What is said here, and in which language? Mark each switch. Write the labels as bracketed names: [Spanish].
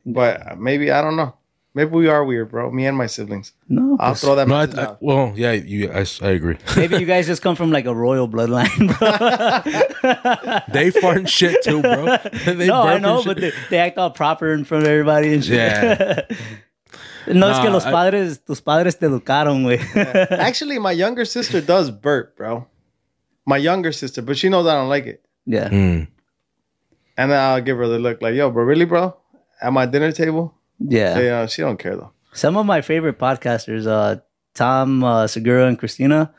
[English] But maybe, I don't know. Maybe we are weird, bro. Me and my siblings. No. I'll throw that message out. Well, yeah, I agree. Maybe you guys just come from, like, a royal bloodline, bro. They fart shit, too, bro. But they act all proper in front of everybody and shit. Yeah. [Spanish] No, nah, es que los padres, tus padres te educaron, güey. [English] Actually, my younger sister does burp, bro. My younger sister, but she knows I don't like it. Yeah. Mm. And then I'll give her the look like, yo, bro, really, bro? At my dinner table? Yeah. So, yeah, she don't care, though. Some of my favorite podcasters, Tom Segura and Christina.